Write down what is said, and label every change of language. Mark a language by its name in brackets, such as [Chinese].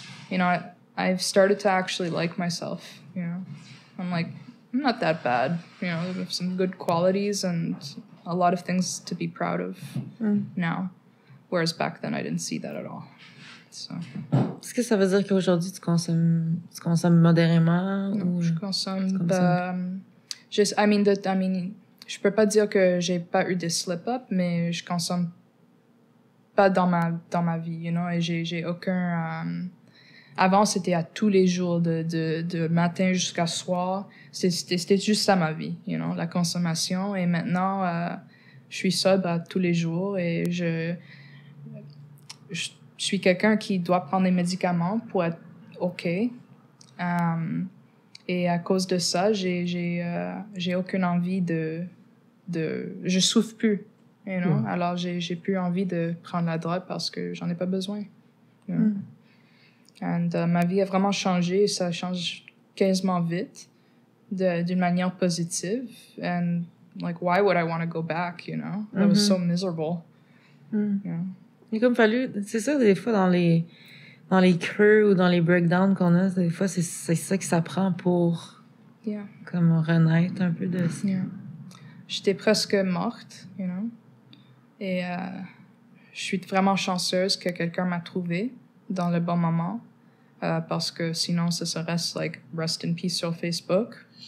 [English] you know, I've started to actually like myself, you know. I'm like, I'm not that bad, you know. I have some good qualities and a lot of things to be proud of now. Whereas back then, I didn't see that at all. So. [French] Est-ce que ça veut dire qu'aujourd'hui, tu consommes modérément? Non, je consomme... je peux pas dire que j'ai pas eu des slip-up, mais je consomme pas dans ma vie, [English] you know. [French] Et j'ai aucun... avant, c'était à tous les jours, de matin jusqu'à soir. C'était juste ça, ma vie, [English] you know, [French] la consommation. Et maintenant, je suis sobre tous les jours et je suis quelqu'un qui doit prendre des médicaments pour être OK. Et à cause de ça, j'ai aucune envie de... Je souffre plus, [English] you know. [French] Mm. Alors, j'ai plus envie de prendre la drogue parce que j'en ai pas besoin. [English] You know? And [French] ma vie a vraiment changé, ça change quasiment vite, d'une manière positive. [English] And like, why would I want to go back, you know? Mm-hmm. I was so miserable. Mm. Yeah. [French] Et comme fallu, c'est ça, des fois, dans les creux ou dans les breakdowns qu'on a, des fois, c'est ça que ça prend pour comme renaître un peu de ça. [English] Yeah. [French] J'étais presque morte, [English] you know? [French] Et je suis vraiment chanceuse que quelqu'un m'a trouvée dans le bon moment, parce que sinon, ça serait like, [English] rest in peace [French] sur Facebook.